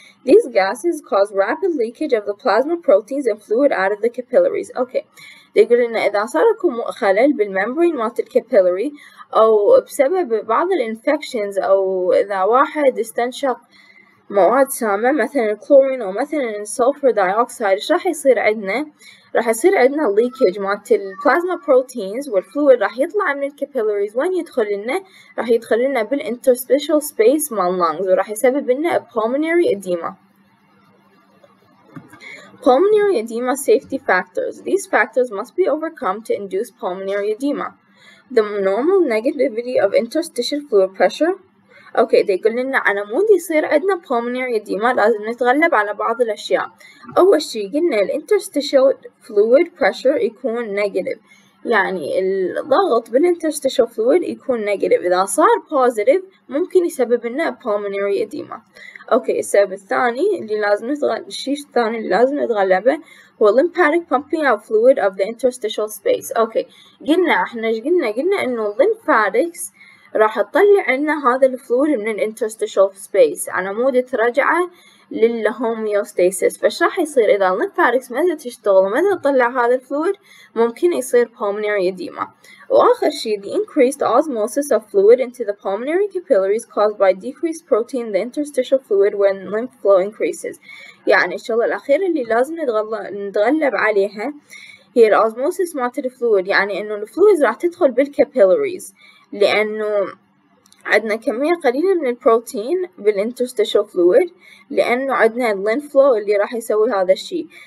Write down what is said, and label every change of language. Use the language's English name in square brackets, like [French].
[English] These gases cause rapid leakage of the plasma proteins and fluid out of the capillaries. Okay. They [Arabic] يقول لنا إذا صار لكم خلل بالmembrane مالت الكابيلري أو بسبب بعض الانفكشنز أو إذا واحد استنشق مواد سامة مثلا الكلورين أو مثلا السلفر دايوكسيد إيش راح يصير عندنا؟ راح يصير عندنا leakage مالت البلازما بروتينز والفلويد راح يطلع من الكابيلريز وين يدخل لنا؟ راح يدخل لنا بالانترستيشال سبيس مال اللنجز وراح يسبب لنا pulmonary edema. [English] Pulmonary edema safety factors. These factors must be overcome to induce pulmonary edema. The normal negativity of interstitial fluid pressure. Okay, they [Arabic] قلنا لنا على مود يصير عندنا pulmonary edema لازم نتغلب على بعض الأشياء. أول شيء قلنا ال interstitial fluid pressure يكون negative. يعني الضغط بال interstitial fluid يكون negative. إذا صار positive ممكن يسبب لنا pulmonary edema. اوكي السبب الثاني اللي لازم الشيء الثاني اللي لازم نتغلبه هو [English] lymphatic pumping out fluid of the interstitial space. [Arabic] اوكي قلنا احنا ايش قلنا؟ قلنا انه lymphatics راح تطلع لنا هذا الفلويد من الانترستيشال سبيس على مود ترجعه للهوميوستاسيس. فايش راح يصير اذا lymphatics ما تشتغل وما تطلع هذا الفلويد؟ ممكن يصير pulmonary edema. وآخر شيء [English] the increased osmosis of fluid into the pulmonary capillaries caused by decreased protein in the interstitial fluid when lymph flow increases. [Arabic] يعني إن شاء الله الأخير اللي لازم نتغلب عليها هي الأوزموسيس مالت الفلويد، يعني إنه الفلويد راح تدخل بالكابيلريز لأنه عندنا كمية قليلة من البروتين بالinterstitial fluid لأنه عندنا lymph flow اللي راح يسوي هذا الشيء.